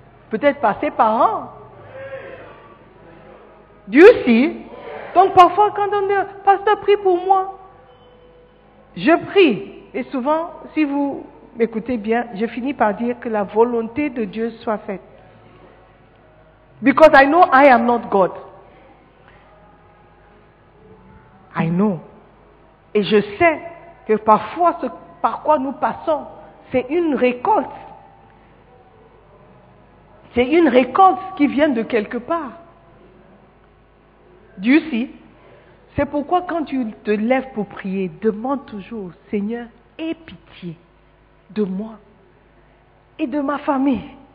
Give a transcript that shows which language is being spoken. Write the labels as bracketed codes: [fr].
[fr] Peut-être par ses parents. Dieu sait. Donc, parfois, quand on dit, pasteur, prie pour moi. Je prie, et souvent, si vous m'écoutez bien, je finis par dire que la volonté de Dieu soit faite. [en] Because I know I am not God. I know. [fr] Et je sais que parfois, ce par quoi nous passons, c'est une récolte. C'est une récolte qui vient de quelque part. [en] Do you see? [fr] C'est pourquoi quand tu te lèves pour prier, demande toujours, Seigneur, aie pitié de moi et de ma famille.